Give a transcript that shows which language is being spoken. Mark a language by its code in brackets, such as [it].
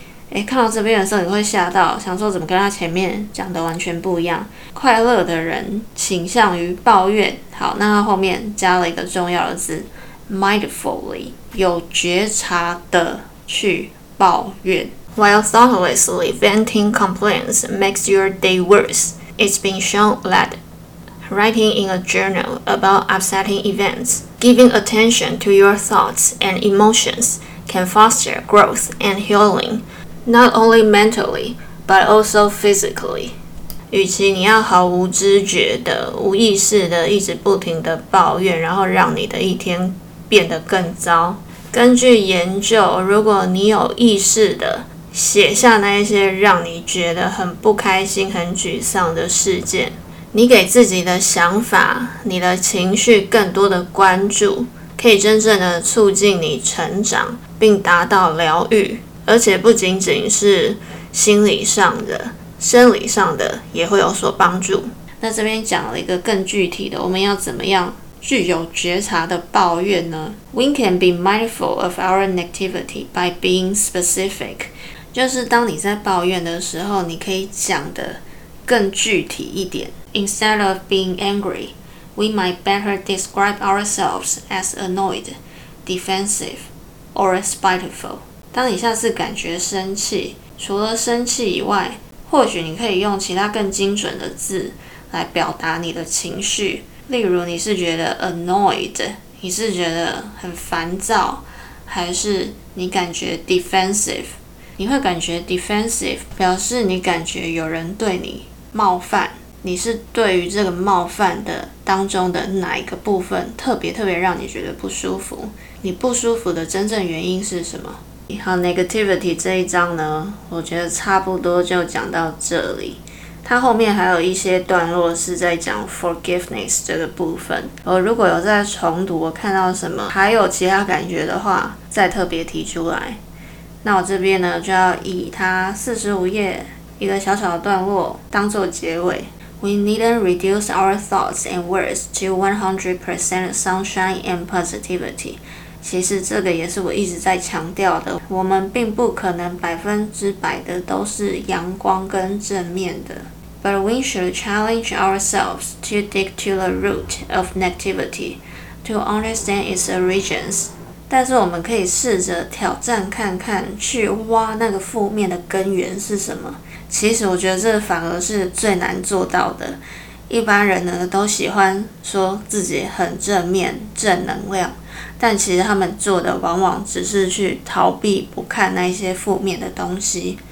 [zh] 欸，看到这边的时候你会吓到，想说怎么跟他前面讲的完全不一样。快乐的人倾向于抱怨。好，那他后面加了一个重要的字 mindfully， 有觉察的去抱怨。 [en] While thoughtlessly venting complaints makes your day worse, it's been shown that writing in a journal about upsetting events, giving attention to your thoughts and emotions can foster growth and healing. Not only mentally, but also physically. [zh] 与其你要毫无知觉的、无意识的、一直不停的抱怨，然后让你的一天变得更糟。根据研究，如果你有意识的写下那一些让你觉得很不开心、很沮丧的事件，你给自己的想法、你的情绪更多的关注，可以真正的促进你成长，并达到疗愈，而且不仅仅是心理上的，生理上的也会有所帮助。那这边讲了一个更具体的，我们要怎么样具有觉察的抱怨呢？ [en] We can be mindful of our negativity by being specific， [zh] 就是当你在抱怨的时候，你可以讲的更具体一点。 [en] Instead of being angry, we might better describe ourselves as annoyed, defensive, or spiteful。 [zh] 当你下次感觉生气，除了生气以外，或许你可以用其他更精准的字来表达你的情绪，例如你是觉得 annoyed， 你是觉得很烦躁，还是你感觉 defensive？你会感觉 defensive 表示你感觉有人对你冒犯，你是对于这个冒犯的当中的哪一个部分特别特别让你觉得不舒服？你不舒服的真正原因是什么？好， negativity 这一章呢，我觉得差不多就讲到这里。它后面还有一些段落是在讲 forgiveness 这个部分，我如果有在重读，我看到什么还有其他感觉的话，再特别提出来。那我这边呢，就要以它45页一个小小的段落当作结尾。 [en] We needn't reduce our thoughts and words to 100% sunshine and positivity。 [zh] 其实这个也是我一直在强调的，我们并不可能100%的都是阳光跟正面的。 [en] But we should challenge ourselves to dig to the root of negativity, to understand its origins. [zh] 但是我们可以试着挑战看看，去挖那个负面的根源是什么。其实我觉得这反而是最难做到的。一般人呢都喜欢说自己很正面、正能量，但其实他们做的往往只是去逃避不看那些负面的东西。